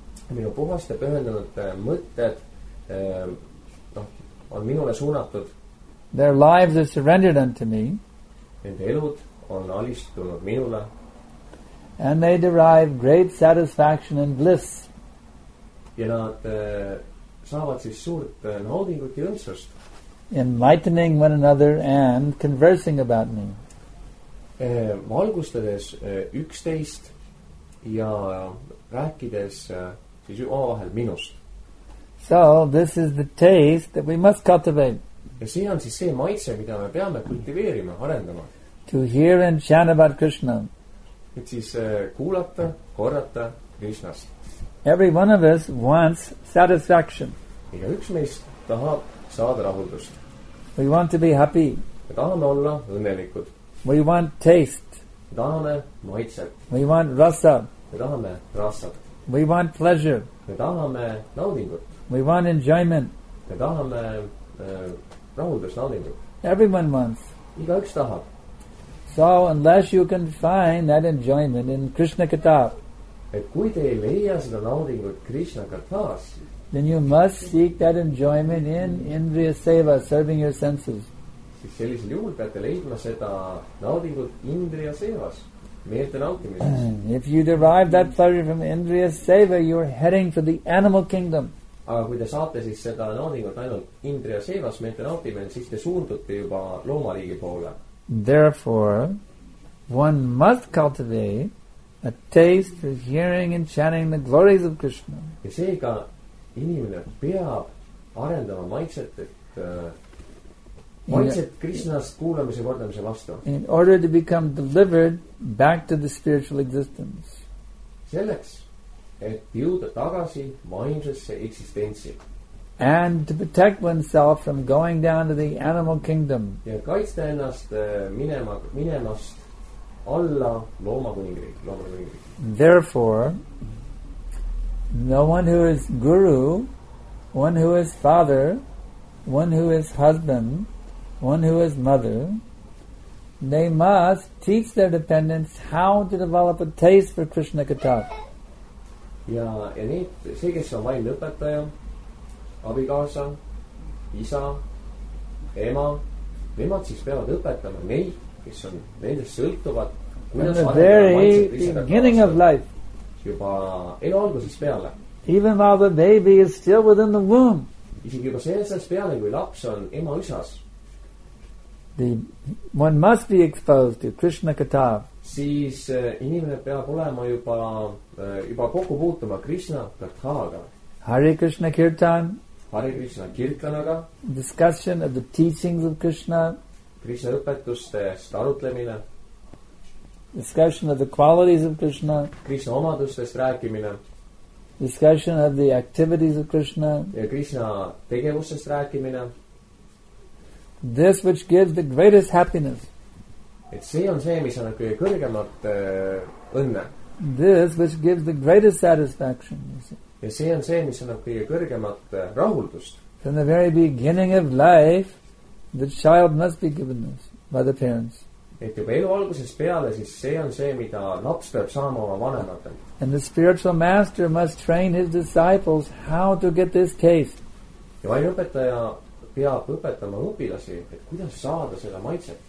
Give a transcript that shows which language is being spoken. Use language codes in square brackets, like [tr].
[et] minu puhaste pühendunud mõtted on minule suunatud. [en] Their lives are surrendered unto me. [et] Nende elud on alistunud minule. [en] And they derive great satisfaction and bliss. [et] Ja nad saavad siis suurt naudingut ja õndsust. [en] Enlightening one another and conversing about me. [et] Valgustades üksteist ja rääkides siis omavahel minust. [en] So this is the taste that we must cultivate. [et] Ja see on siis see maitse, mida me peame kultiveerima, arendama. [en] To hear and chant about Krishna. [et] Et siis kuulata, korrata Krishnast. [en] Every one of us wants satisfaction. [et] Iga üks meist tahab saada rahuldust. [en] We want to be happy. [et] Me tahame olla õnnelikud. [en] We want taste. [et] Me tahame maitset. [en] We want rasa. [et] Me tahame rasat. [en] We want pleasure. [et] Me tahame naudingut. [en] We want enjoyment. [et] Me tahame rahuldust, naudingut. [en] Everyone wants. [et] Iga üks tahab. [en] So unless you can find that enjoyment in Krishna Katha, [et] et kui te ei leia seda naudingut Krishna Kathas, [en] then you must seek that enjoyment in Indriya Seva, serving your senses. [et] Siis sellisel juhul peate leidma seda naudingut Indriya Sevas, meelte nautimises. [en] If you derive that pleasure from Indriya Seva, you are heading for the animal kingdom. [et] Aga kui te saate siis seda naudingut ainult Indriya Sevas, meelte nautimises, siis te suundute juba loomaliigi poole. [en] Therefore, one must cultivate a taste for hearing and chanting the glories of Krishna. [et] Ja seega inimene peab arendama maitset, et maitset Krishnast kuulemise ja kordamise vastu. [en] In order to become delivered back to the spiritual existence. [et] Selleks, et jõuda tagasi vaimsesse eksistentsi. [en] And to protect oneself from going down to the animal kingdom. [et] Ja kaitsta ennast minemast alla loomakuningriigi. [en] Therefore, no one who is guru, one who is father, one who is husband, one who is mother, they must teach their dependents how to develop a taste for Krishna Katha. [et] Ja see, kes on vain lõpetaja, abikaasa, isa, ema, nemad siis peavad õpetama neid, kes on nende sõltuvad, kuidas [en] on very beginning of life. [et] Juba elu alguses peale. [en] Even while the baby is still within the womb. [et] Isegi juba selles peale, kui laps on ema isas. [en] One must be exposed to Krishna Katha. [et] Siis inimene peab olema juba kokku puutuma Krishna Kathaga. [en] Hare Krishna Kirtan. [et] Hare Krishna Kirtanaga. [en] Discussion of the teachings of Krishna. [et] Krishna õpetustest arutlemine. [en] Discussion of the qualities of Krishna. [et] Krishna omadustest rääkimine. [en] Discussion of the activities of Krishna. [et] Ja Krishna tegevustest rääkimine. [en] This which gives the greatest happiness. [et] Et see on see, mis on kõige kõrgemat õnne. [en] This which gives the greatest satisfaction. [et] Ja see on see, mis annab kõige kõrgemat rahuldust. [en] From the very beginning of life, the child must be given this by the parents. [et] Et juba elu alguses peale, siis see on see, mida laps peab saama oma vanematel. [en] And the spiritual master must train his disciples how to get this taste. [et] Ja vaim õpetaja peab õpetama õpilasi, et kuidas saada seda maitset.